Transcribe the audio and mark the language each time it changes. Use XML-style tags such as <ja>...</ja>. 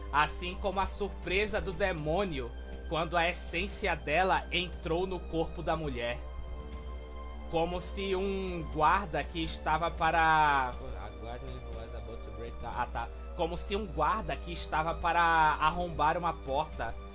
<pt>Assim como a surpresa do demônio quando a essência dela entrou no corpo da mulher. Como se um guarda que estava para...</pt> <en>A guarda was about to break down.</en> <pt>Ah tá. Como se um guarda que estava para arrombar uma porta...</pt>